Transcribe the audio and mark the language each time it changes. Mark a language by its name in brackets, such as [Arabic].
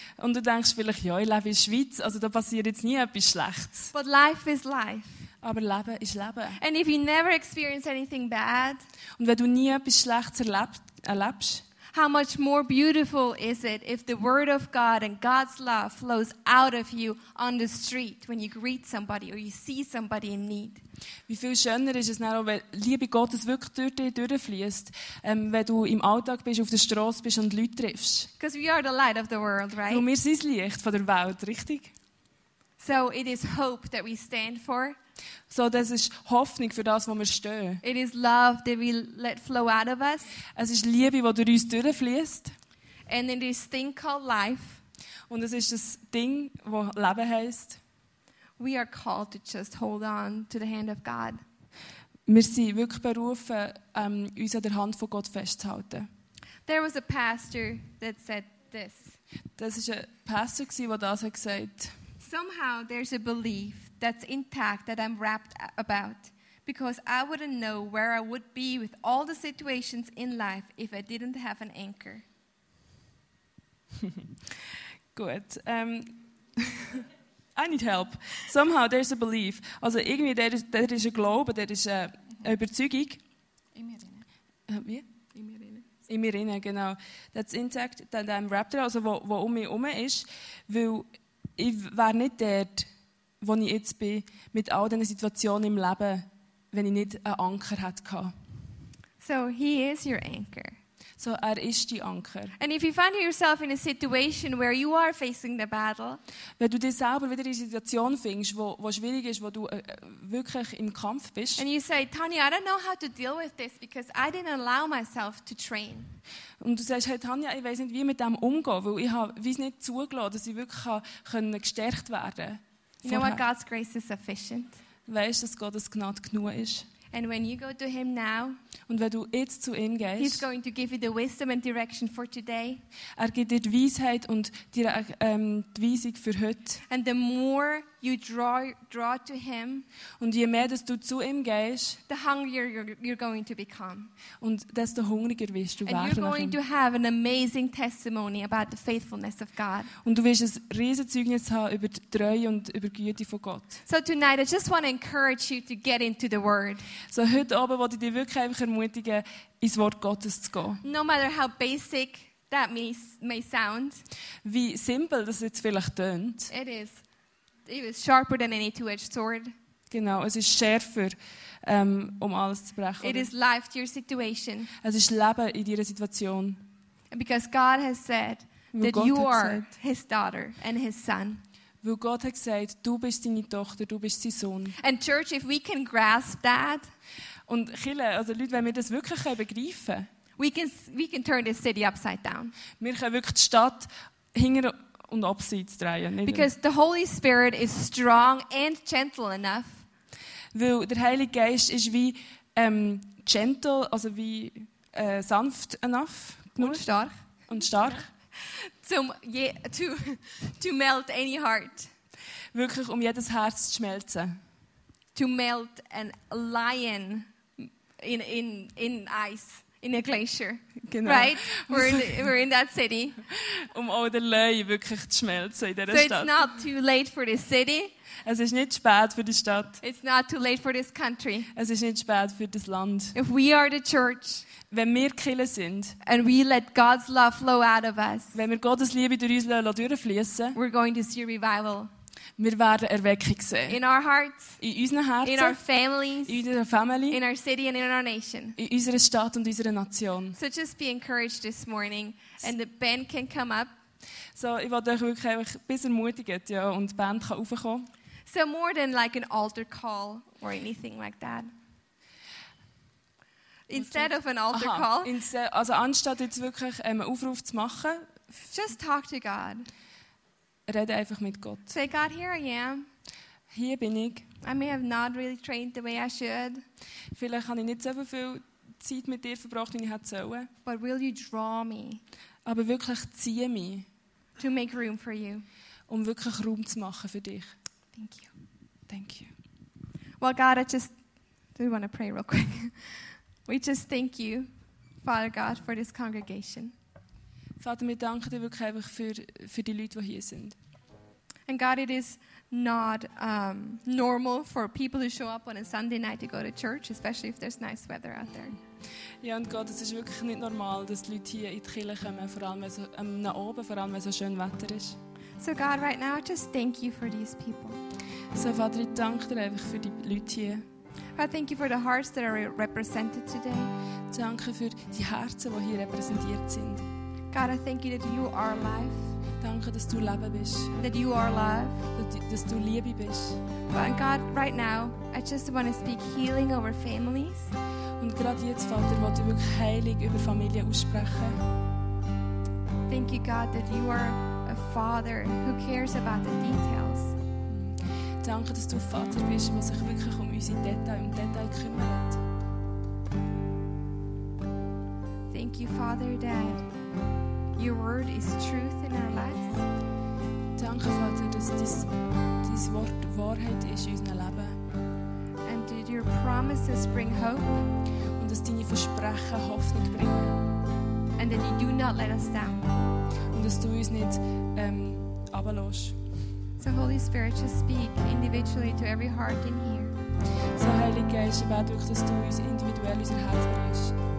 [German] Und du denkst vielleicht, ja, ich lebe in der Schweiz, also da passiert jetzt nie etwas Schlechtes. [English] But life is life. [German] Aber Leben ist Leben. [English] And if you never experience anything bad, [German] und wenn du nie etwas Schlechtes erlebst, [English] how much more beautiful is it if the word of God and God's love flows out of you on the street when you greet somebody or you see somebody in need? [German] Wie viel schöner ist es dann, wenn Liebe Gottes wirklich durch dich durchfließt, wenn du im Alltag bist, auf der Straße bist und Leute triffst? [English] Because we are the light of the world, right? [German] Und wir sind das Licht von der Welt, richtig? [English] So it is hope that we stand for. [German] So, das ist Hoffnung für das, wo wir stehen. [English] It is love that we let flow out of us. [German] Es ist Liebe, die durch uns durchfließt. [English] And in this thing called life. [German] Und es ist das Ding, wo Leben heisst. [English] We are called to just hold on to the hand of God. [German] Wir sind wirklich berufen, uns an der Hand von Gott festzuhalten. [English] There was a pastor that said this. [German] Das ist ein Pastor gsi, wo das hat gesagt. [English] Somehow there's a belief that's intact that I'm wrapped about because I wouldn't know where I would be with all the situations in life if I didn't have an anchor. Gut. I need help. Somehow there's a belief. [German] Also irgendwie der ist ein Glaube, der ist eine Überzeugung. In mir drin. Wie? In mir drin, genau. [English] That's intact that I'm wrapped about, [German] also wo um mich herum ist, weil ich wäre nicht dort, wo ich jetzt bin, mit all diesen Situationen im Leben, wenn ich nicht einen Anker hatte. [English] So, he is your anchor. [German] So, er ist dein Anker. [English] And if you find yourself in a situation where you are facing the battle, [German] wenn du dich selber wieder in eine Situation findest, wo schwierig ist, wo du wirklich im Kampf bist, [English] and you say, Tanja, I don't know how to deal with this because I didn't allow myself to train. [German] Und du sagst, hey Tanja, ich weiß nicht, wie mit dem umgehen, weil ich habe es nicht zugelassen, dass ich wirklich können gestärkt werden. [English] You know what? God's grace is sufficient. [German] Weißt, dass Gottes Gnade genug ist. [English] And when you go to him now, [German] und wenn du jetzt zu ihm gehst, [English] he's going to give you the wisdom and direction for today. [German] Er gibt dir die Weisheit und die Weisung für heute. [English] And the more you draw to him, [German] und je mehr dass du zu ihm gehst, [English] the hungrier you're going to become. [German] Und desto hungriger wirst du [English] and [German] werden. [English] And you're going to have an amazing testimony about the faithfulness of God. [German] Und du wirst ein riesen Zeugnis haben über die Treue und über die Güte von Gott. [English] So tonight I just want to encourage you to get into the word. [German] So heute Abend wollte ich dich wirklich einfach ermutigen, ins Wort Gottes zu gehen. [English] No matter how basic that may sound. [German] Wie simpel das jetzt vielleicht tönt. [English] It is. It is sharper than any two-edged sword. [German] Genau, es ist schärfer, alles zu brechen. [English] It is life to your situation. [German] Es ist Leben in deiner Situation. [English] Because God has said that you are his daughter and his son. [German] Weil Gott hat gesagt, du bist seine Tochter, du bist sein Sohn. [English] And church, if we can grasp that. [German] Und Chile, also Leute, wenn wir das wirklich begreifen. [English] We can turn this city upside down. [German] Wir können wirklich die Stadt hinter und abseits drehen. [English] Because the Holy Spirit is strong and gentle enough. [German] Weil der Heilige Geist ist wie gentle, also wie sanft enough. Und stark. Und stark. [English] to melt any heart. [German] wirklich um jedes Herz zu schmelzen. [English] To melt a lion in ice, in a glacier, [German] genau. [English] Right? We're in that city. [German] Um auch den Löwen wirklich zu schmelzen in dieser so Stadt. [English] So it's not too late for this city. [German] Es ist nicht spät für die Stadt. [English] It's not too late for this country. [German] Es ist nicht spät für das Land. [English] If we are the church, [German] wenn wir Kirche sind, [English] and we let God's love flow out of us, [German] wenn wir Gottes Liebe durch uns durchfließen, [English] we're going to see revival. [German] Wir werden Erweckung sehen. [English] In our hearts, [German] in unseren Herzen, [English] in our families, [German] in unserer Familie, [English] in our city and in our nation, [German] in unserer Stadt und unserer Nation. [English] So just be encouraged this morning, and the band can come up. [German] So, ich wollte euch wirklich ein bisschen ermutigen, ja, und die Band kann aufkommen. [English] So more than like an altar call or anything like that. Instead of an altar call. [German] Also anstatt jetzt wirklich einen Aufruf zu machen. [English] Just talk to God. [German] Rede einfach mit Gott. [English] Say, God, here I am. [German] Hier bin ich. [English] I may have not really trained the way I should. [German] Vielleicht habe ich nicht so viel Zeit mit dir verbracht, wie ich hätte sollen. [English] But will you draw me? [German] Aber wirklich ziehe mich. [English] To make room for you. [German] Um wirklich Raum zu machen für dich. [English] Thank you. Thank you. Well, God, I just do want to pray real quick. We just thank you, Father God, for this congregation. [German] Vater, wir danken dir wirklich einfach für die Leute, die hier sind. [English] And God, it is not normal for people to show up on a Sunday night to go to church, especially if there's nice weather out there. [German] Ja, und Gott, es ist wirklich nicht normal, dass die Leute hier in die Kirche kommen, vor allem wenn so, nach oben, vor allem wenn so schön Wetter ist. [English] So God, right now, I just thank you for these people. [German] So Vater, ich danke dir einfach für die Leute hier. [English] I thank you for the hearts that are represented today. [German] Danke für die Herzen, die hier repräsentiert sind. [English] God, I thank you that you are life. [German] Danke, dass du Leben bist. [English] That you are love. [German] Dass du Liebe bist. [English] But God, right now, I just want to speak healing over families. [German] Und gerade jetzt, Vater, wollte ich wirklich Heilung über Familien aussprechen. [English] Thank you, God, that you are a father who cares about the details. [German] Danke, dass du Vater bist, der sich wirklich um unsere Details, um Detail kümmert. [English] Thank you, Father, Dad. Your word is truth in our lives. [German] Danke, Vater, dass dein Wort Wahrheit ist in unserem Leben. [English] And did your promises bring hope? [German] Und dass deine Versprechen Hoffnung bringen. [English] And that you do not let us down. [German] Und dass du uns nicht runterlässt. [English] So Holy Spirit, just speak individually to every heart in here. [German] So Heilige Geist, ich bete dich, dass du uns individuell unser Herz bringst.